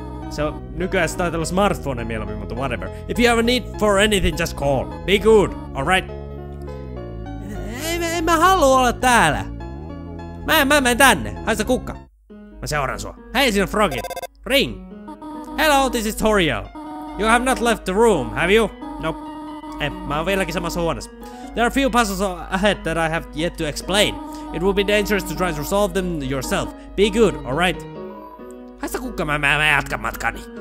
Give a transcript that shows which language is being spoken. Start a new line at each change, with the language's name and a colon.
Finnish: So, nykyään sitä tällä smartphone mieluummin, mutta whatever.
English: If you have a need for anything, just call. Be good, alright?
Finnish: Mä haluu olla täällä. Mä menen tänne. Haista kukka. Mä seuraan sua. Hei, siinä on Froggy.
English: Ring. Hello, this is Toriel. You have not left the room, have you? Nope.
Finnish: Hei, mä oon vieläkin samassa huoneessa.
English: There are a few puzzles ahead that I have yet to explain. It will be dangerous to try to resolve them yourself. Be good, alright?
Finnish: Haista kukka, mä jatkan matkani.